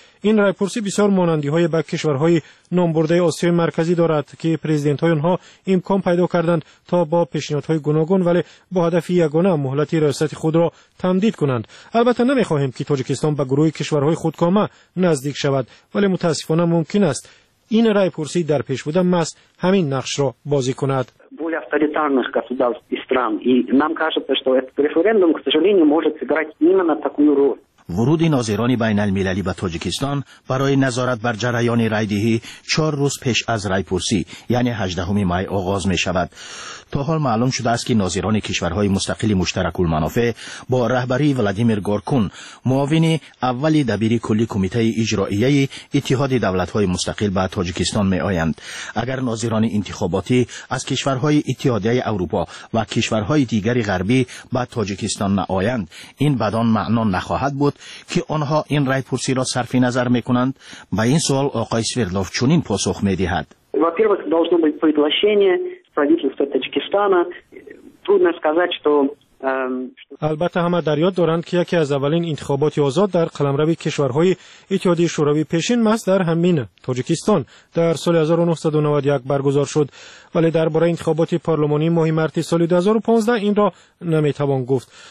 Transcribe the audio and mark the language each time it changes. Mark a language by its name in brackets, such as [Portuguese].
[Persian] این رای پرسی بسیار مانندی های به کشورهای نامبرده آسیای مرکزی دارد که پرزیدنت های آنها امکان پیدا کردند تا با پیشنهادهای گوناگون ولی با هدف یگانه مهلت ریاست خود را تمدید کنند. البته نمی خواهیم که تاجیکستان به گروه کشورهای خودکامه نزدیک شود، ولی متاسفانه ممکن است این رای پرسی در پیش بوده ماست همین نقش را بازی کند. [Russian] авторитарных государств и стран. И нам кажется, что этот референдум, к сожалению, может сыграть именно такую роль. [Persian] ورود ناظران بین المللی به تاجیکستان برای نظارت بر جریان رای‌دهی 4 روز پیش از رای‌پرسی یعنی 18 می آغاز می شود. تا حال معلوم شده است که ناظران کشورهای مستقل مشترک المنافع با رهبری ولادیمیر گورکون، معاون اول دبیر کلی کمیته اجرائیه اتحاد دولت‌های مستقل به تاجیکستان می آیند. اگر ناظران انتخاباتی از کشورهای اتحادیه اروپا و کشورهای دیگر غربی به تاجیکستان نآیند، این بدان معنا نخواهد بود که آنها این رای پرسی را صرف نظر می کنند. به این سوال آقای سویردلوف چنین پاسخ می دهد. [Russian] во-первых, должно быть приглашение правительства Таджикистана. Трудно сказать, что [Persian] البته همه در یاد دارند که یکی از اولین انتخابات آزاد در قلمرو کشورهای اتحادیه شوروی پیشین ماست در همین تاجیکستان در سال 1991 برگزار شد، ولی درباره انتخابات پارلمانی ماه مارس سال 2015 این را نمیتوان گفت.